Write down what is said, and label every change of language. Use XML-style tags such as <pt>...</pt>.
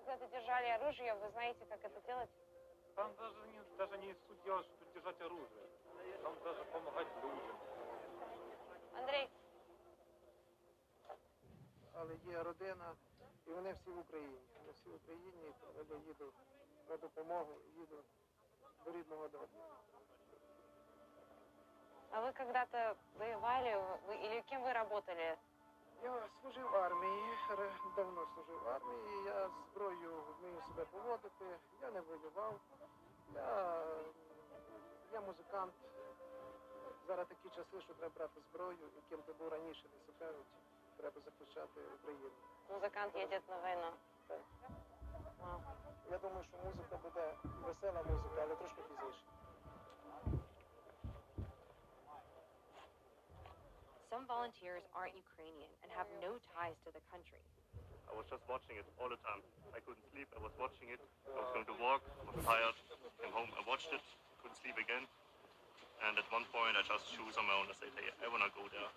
<ru>Держали оружие, вы знаете, как это делать? Там даже не суть дела, что держать оружие. Там даже помогать людям. Андрей.</ru> <uk>Але є родина, і вони всі в Україні. Вони всі в Україні, і я їду на допомогу, їду до рідного дому. А ви когда-то воювали, или ким ви работали? Я служив в армії, давно служив в армії, я зброю вмію себе поводити, я не воював, я музикант, зараз такі часи, що треба брати зброю, і ким ти був раніше, не суперить, треба захищати Україну. Музикант їде на війну. Так. Я думаю, що музика буде весела музика, але трошки пізніше.</uk> <en>Some volunteers aren't Ukrainian and have no ties to the country. I was just watching it all the time. I couldn't sleep. I was watching it. I was going to walk. I was tired. Came home. I watched it. Couldn't sleep again. And at one point, I just choose on my own. I said, hey, I want to go there.</en>